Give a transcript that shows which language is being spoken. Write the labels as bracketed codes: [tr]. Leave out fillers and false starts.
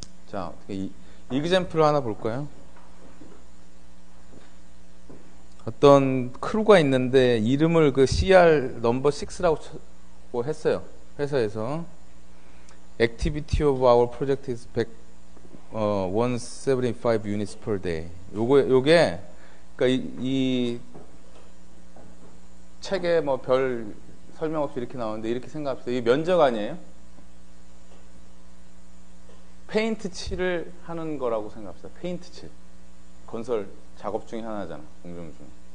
[ko] 자, 어떻게 이그잼플을 하나 볼까요? 어떤 크루가 있는데 이름을 그 CR 넘버 6라고 했어요. 회사에서 [en] Activity of our project is 175 units per day. [ko] 요게 그러니까 이 책에 뭐 별 설명 없이 이렇게 나오는데 이렇게 생각합시다. 이게 면적 아니에요? 페인트 칠을 하는 거라고 생각합시다. 페인트 칠. 건설 작업 중에 하나잖아. 공정 중에.